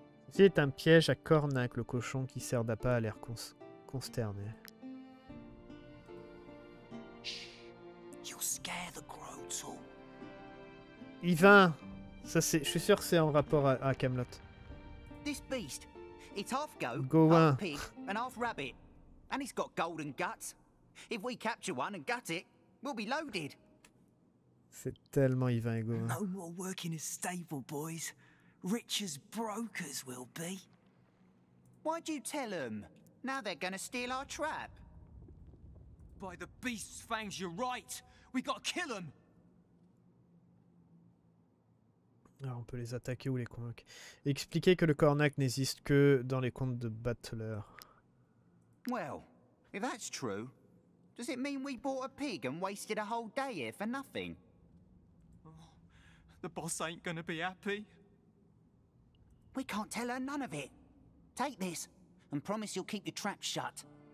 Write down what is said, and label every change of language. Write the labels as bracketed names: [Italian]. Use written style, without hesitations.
[French] C'est un piège à Cornac, le cochon qui sert d'appât a l'air consterné. Yvain, ça c'est, je suis sûr que c'est en rapport à Camelot. [English] This beast, it's half goat, Gawain. Half pig, and half rabbit, and it's got golden guts. If we capture one and gut it, we'll be loaded. [French] C'est tellement Yvain et Gawain. [English] No more working as stable boys. Rich as brokers will be. Why'd you tell them? Now they're gonna steal our trap. By the beast's fangs, you're right. We gotta kill them. [French] Alors on peut les attaquer ou les convaincre. Expliquer que le Cornac n'existe que dans les contes de Butler. [English] Well, if that's true, does it mean we bought a pig and wasted a whole day here for nothing? Oh, the boss ain't gonna be happy. We can't tell her none of it. Take this and promise you'll keep the trap shut.